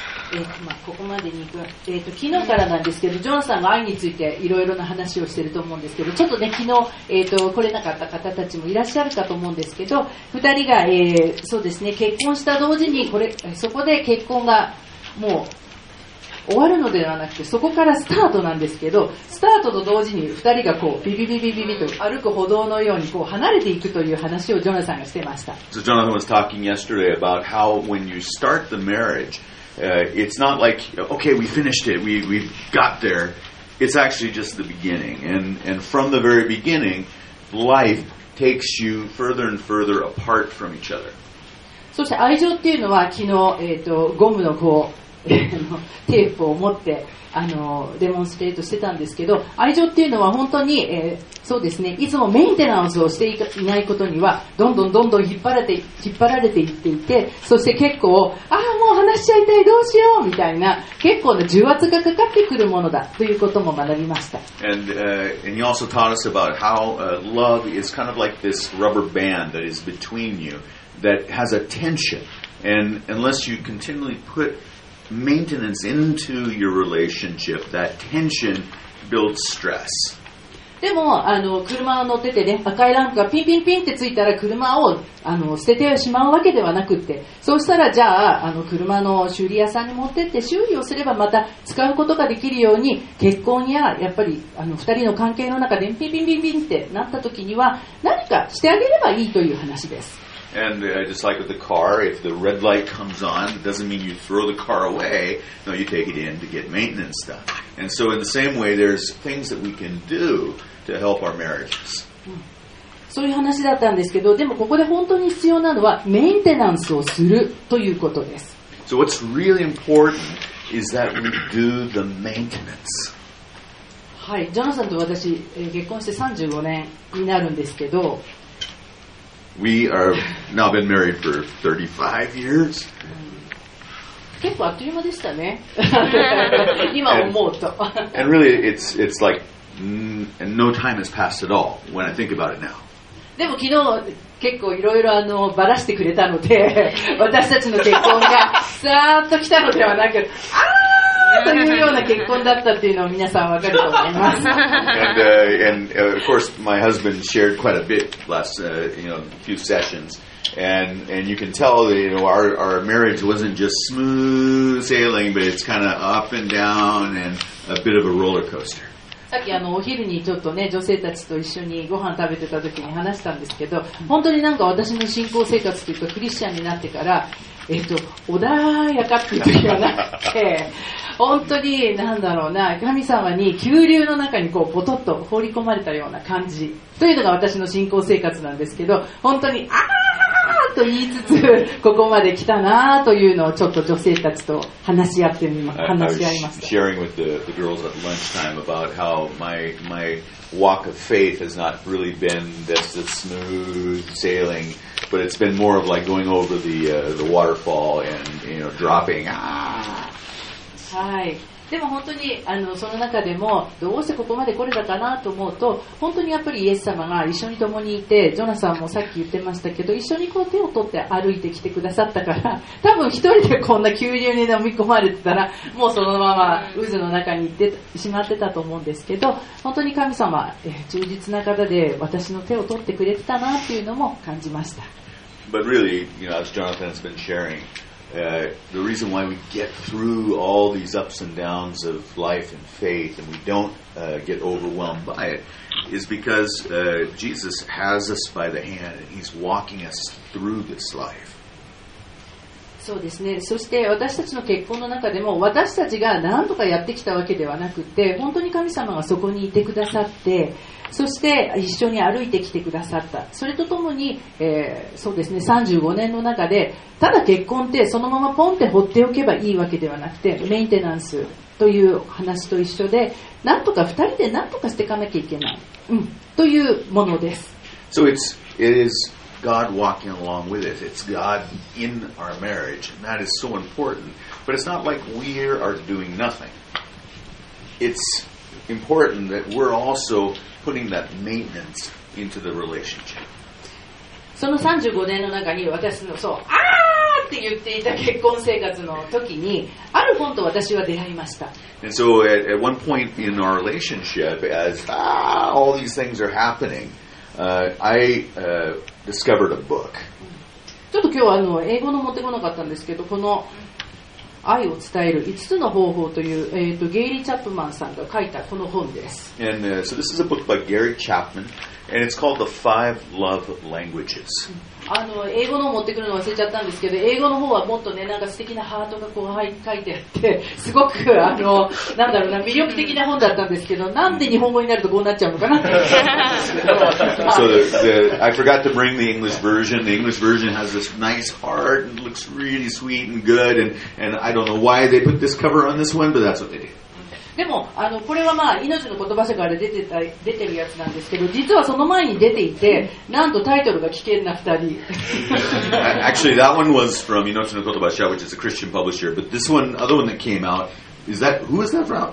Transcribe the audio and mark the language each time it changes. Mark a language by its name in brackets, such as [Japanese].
[Japanese] はい、まあ、ここまでに行く、昨日からなんですけどジョナサンが愛についていろいろな話をしていると思うんですけどちょっとね昨日、来れなかった方たちもいらっしゃるかと思うんですけど2人が、そうですね、結婚した同時にこれそこで結婚がもう終わるのではなくてそこからスタートなんですけどスタートと同時に2人がこうビビビビビビと歩く歩道のようにこう離れていくという話をジョナサンがしてました。 [English] So Jonathan was talking yesterday about how when you start the marriageIt's not like, okay, we finished it, we've got there. It's actually just the beginning. And from the very beginning, life takes you further and further apart from each other. [Japanese] そして愛情っていうのは昨日、ゴムのこうテープを持ってデモンストレートしてたんですけど愛情っていうのは本当に、そうですね、いつもメンテナンスをしていないことにはどんどんどんどん引っ張られていっていてそして結構ああもう話しちゃいたいどうしようみたいな結構な重圧がかかってくるものだということも学びました。 [English] And, and he also taught us about how、love is kind of like this rubber band that is between you that has a tension and unless you continually putmaintenance into your relationship, that tension builds stress. [Japanese] でも、あの、車を乗っててね、赤いランプがピンピンピンってついたら車を、あの、捨ててしまうわけではなくって、そうしたらじゃあ、あの、車の修理屋さんに持ってって修理をすればまた使うことができるように、結婚や、やっぱり、あの、二人の関係の中でピンピンピンピンってなった時には、何かしてあげればいいという話です。 [English] And just like with the car, if the red light comes on, it doesn't mean you throw the car away. No, you take it in to get maintenance done. And so in the same way, there's things that we can do to help our marriages. [Japanese] そういう話だったんですけど、でもここで本当に必要なのはメンテナンスをするということです。 [English] So what's really important is that we do the maintenance. [Japanese] はい、ジョナサンと私、結婚して35年になるんですけど、 [English] We are now been married for 35 years. [Japanese] 結構あっという間でしたね。今思うと。 [English] And really, it's like no time has passed at all when I think about it now. [Japanese] でも昨日結構いろいろあのバラしてくれたので、私たちの結婚がさーっと来たのではなく、あーというような結婚だったっていうのを皆さんわかると思います。 [English] And, and of course, my husband shared quite a bit last, you know, few sessions. And you can tell that, you know, our marriage wasn't just smooth sailing, but it's kind of up and down and a bit of a roller coaster. [Japanese] さっきあのお昼にちょっとね、女性たちと一緒にご飯食べてた時に話したんですけど、本当になんか私の信仰生活というかクリスチャンになってから、穏やかっていう時はなくて、本当に何だろうな、神様に急流の中にこうポトッと放り込まれたような感じというのが私の信仰生活なんですけど、本当にあーと言いつつここまで来たなというのをちょっと女性たちと話し合ってみます。話し合いました。 [English] Sharing with the girls at lunchtime about how my walk of faith has not really been just a smooth sailing, but it's been more of like going over the waterfall and, you know, dropping. [Japanese] はい、でも本当にあのその中でもどうしてここまで来れたかなと思うと、本当にやっぱりイエス様が一緒に共にいて、ジョナサンもさっき言ってましたけど、一緒にこう手を取って歩いてきてくださったから、多分一人でこんな急流に飲み込まれてたらもうそのまま渦の中に行ってしまってたと思うんですけど、本当に神様、忠実な方で私の手を取ってくれてたなっていうのも感じました。 [English] But really, you know, as Jonathan's been sharingthe reason why we get through all these ups and downs of life and faith and we don't get overwhelmed by it is because Jesus has us by the hand and he's walking us through this life. [Japanese] そうですね。そして私たちの結婚の中でも私たちが何とかやってきたわけではなくて、本当に神様がそこにいてくださって、そして一緒に歩いてきてくださった。それとともに、そうですね、35年の中でただ結婚ってそのままポンって放っておけばいいわけではなくて、メンテナンスという話と一緒で、なんとか2人でなんとかしていかなきゃいけない、というものです。 [English] So it is God walking along with us. It's God in our marriage. And that is so important. But it's not like we are doing nothing. It's important that we're alsoputting that maintenance into the relationship. [Japanese] その35年の中に私のそう、あーって言っていた結婚生活の時に、ある本と私は出会いました。 [English] And so at one point in our relationship, as all these things are happening, I discovered a book. [Japanese] ちょっと今日はあの英語の持ってこなかったんですけど、この愛を伝える5つの方法という、ゲイリー・チャップマンさんが書いたこの本です。 [English] And, so this is a book by Gary Chapman, and it's called The Five Love Languages. [Japanese] あの英語の持ってくるの忘れちゃったんですけど、英語の方はもっとね、なんか素敵なハートがこう書いてあって、すごくあのなんだろうな、魅力的な本だったんですけど、なんで日本語になるとこうなっちゃうのかなって。 [English] So the, I forgot to bring the English version. The English version has this nice heart and looks really sweet and good. And I don't know why they put this cover on this one, but that's what they did. [Japanese] でもあのこれは、まあ、命の言葉社から出てるやつなんですけど、実はその前に出ていて、なんとタイトルが危険な二人。 [English] Actually, that one was from 命の言葉社, which is a Christian publisher. But this one, other one that came out, is that, who is that from?